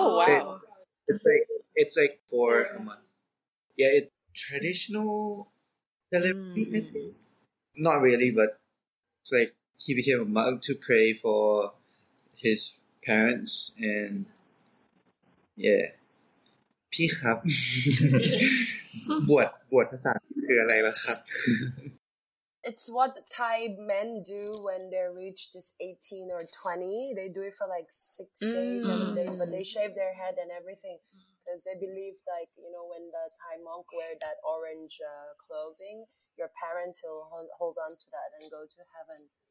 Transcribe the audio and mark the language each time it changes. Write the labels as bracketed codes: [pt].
[en] Oh, wow. It's like for a month. Yeah, it's traditional celebration. Mm. Not really, but it's like he became a monk to pray for his parents. And yeah. [th] พี่ครับ บวชภาษาคืออะไรล่ะครับ [en] It's what Thai men do when they reach this 18 or 20. They do it for like 6 days, 7 days, but they shave their head and everything because they believe like, you know, when the Thai monk wear that orange clothing, your parents will hold on to that and go to heaven.